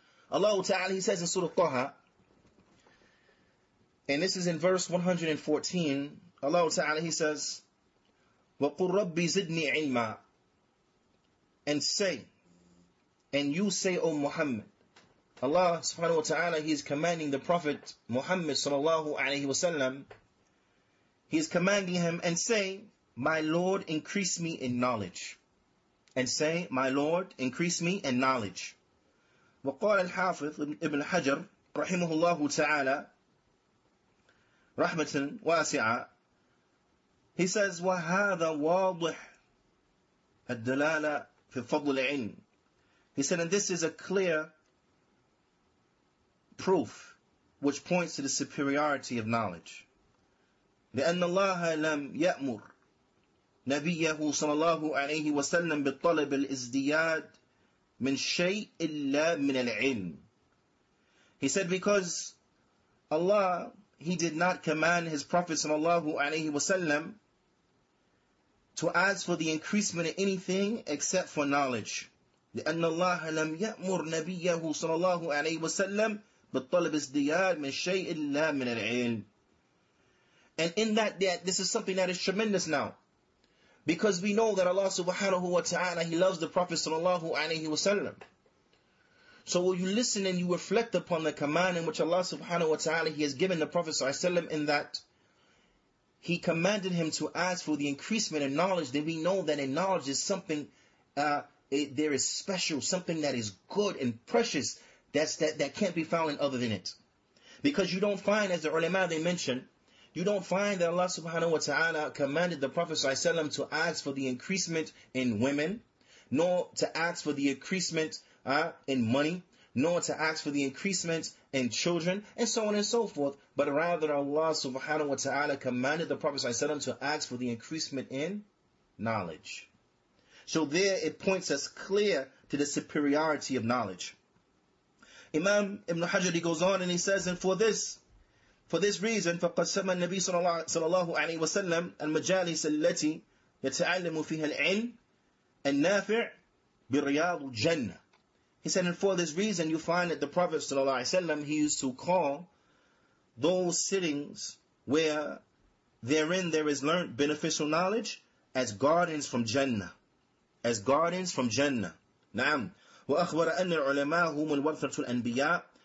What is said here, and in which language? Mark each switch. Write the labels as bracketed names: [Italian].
[English] Allah Ta'ala, He says in Surah Taha, and this is in verse 114, Allah Ta'ala, He says, [Arabic] وَقُلْ رَبِّ زِدْنِي عِلْمًا, [English] and say, and you say, O Muhammad. Allah Subhanahu Wa Ta'ala, He is commanding the Prophet Muhammad Sallallahu Alaihi Wasallam, He is commanding him, and say, my Lord, increase me in knowledge. and say, "My Lord, increase me in knowledge." [Arabic] وقال الحافظ ابن حجر رحمه الله تعالى رحمة واسعة. [English] He says, [Arabic] وهذا واضح الدلالة في فضل العلم. [English] He said, and this is a clear proof which points to the superiority of knowledge. [Arabic] لأن الله لم يأمر نبيه صلى الله عليه وسلم بالطلب الازدياد من شيء إلا من العلم. [English] He said, because Allah, He did not command His Prophet sallallahu alayhi wasallam to ask for the increasement of anything except for knowledge. [Arabic] لأن الله لم يأمر نبيه صلى الله عليه وسلم بالطلب ازدياد من شيء إلا من العلم. [English] And in that, this is something that is tremendous now. Because we know that Allah subhanahu wa ta'ala, He loves the Prophet sallallahu alayhi wa sallam. So when you listen and you reflect upon the command in which Allah subhanahu wa ta'ala, He has given the Prophet sallallahu alayhi wa sallam, in that He commanded him to ask for the increasement in knowledge, then we know that in knowledge is something, there is special, something that is good and precious, that can't be found in other than it. Because you don't find, as the ulama they mentioned, you don't find that Allah subhanahu wa ta'ala commanded the Prophet sallallahu alayhi wa sallam to ask for the increasement in women, nor to ask for the increasement in money, nor to ask for the increasement in children, and so on and so forth. But rather Allah subhanahu wa ta'ala commanded the Prophet sallallahu alayhi wa sallam to ask for the increasement in knowledge. So there it points us clear to the superiority of knowledge. Imam Ibn Hajar, he goes on and he says, and for this reason, [Arabic] فَقَسَّمَ النَّبِيُّ صلى الله عليه وسلم المجالس التي يتعلم فيها العلم النافع برياض الجنة. [English] He said, and for this reason, you find that the Prophet صلى الله عليه وسلم, he used to call those sittings where therein there is learnt beneficial knowledge as gardens from Jannah. As gardens from Jannah. [Arabic] نعم. وَأَخْبَرَ أَنَّ الْعُلَمَاءَ هُمُ الْوَرْثَةُ الْأَنْبِيَاءِ.